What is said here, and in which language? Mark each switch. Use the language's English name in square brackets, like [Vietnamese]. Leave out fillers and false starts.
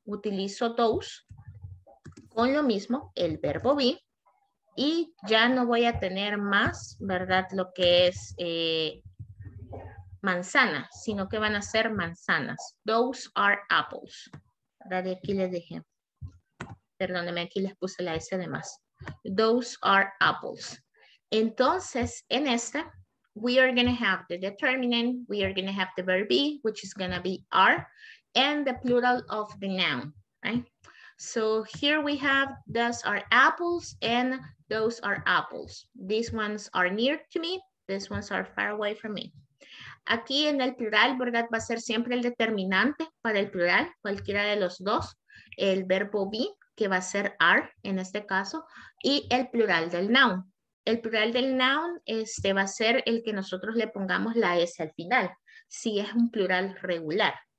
[Spanish] Utilizo those con lo mismo, el verbo be, y ya no voy a tener más, ¿verdad? Lo que es... manzana, sino que van a ser manzanas. [English] Those are apples. [Spanish] ¿Verdad? Y aquí les dije. Perdónenme, aquí les puse la S de más. Those are apples. Entonces, en esta, [English] we are going to have the determinant, we are going to have the verb be, which is going to be are, and the plural of the noun, right? So here we have, those are apples, and those are apples. These ones are near to me, these ones are far away from me. [Spanish] Aquí en el plural, ¿verdad? Va a ser siempre el determinante para el plural, cualquiera de los dos. El verbo be, que va a ser are en este caso, y el plural del noun. El plural del noun va a ser el que nosotros le pongamos la S al final, si es un plural regular.